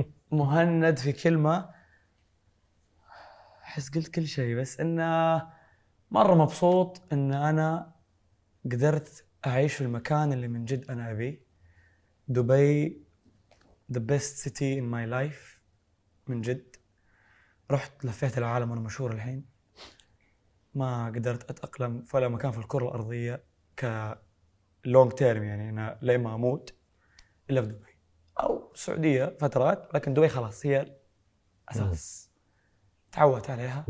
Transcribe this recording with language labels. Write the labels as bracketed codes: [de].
[ar] مهند في كلمة حس قلت كل شيء، بس إنه مرة مبسوط إن أنا قدرت أعيش في المكان اللي من جد أنا أبي. [en] دبي the best city in my life [ar] من جد. رحت لفيت العالم وأنا مشهور الحين، ما قدرت أتأقلم فلا مكان في الكرة الأرضية ك [en] long term، [ar] يعني أنا لين ما أموت إلا في دبي أو السعودية فترات، لكن دبي خلاص هي أساس تعودت عليها.